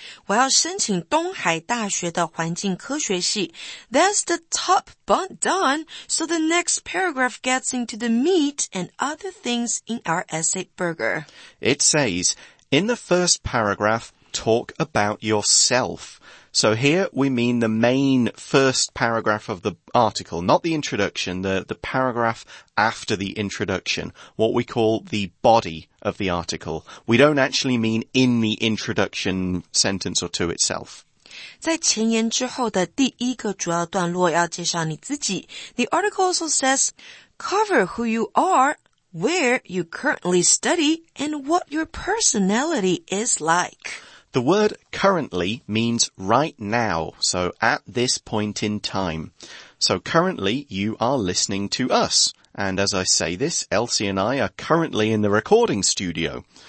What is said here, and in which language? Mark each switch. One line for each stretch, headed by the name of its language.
Chinese: 我要申请东海大学的环境科学系。
English: That's the top bun done, so the next paragraph gets into the meat and other things in our essay burger. It says, in the first paragraph, talk about yourself. So here we mean the main first paragraph of the article, not the introduction, the paragraph after the introduction, what we call the body. Of the article. We don't actually mean in the introduction sentence or two itself.
Chinese: 在前言之后的第一个主要段落要介绍你自己。
English: The article also says, cover who you are, where you currently study, and what your personality is like. The word currently means right now, so at this point in time. So currently you are listening to us. And as I say this, Elsie and I are currently in the recording studio.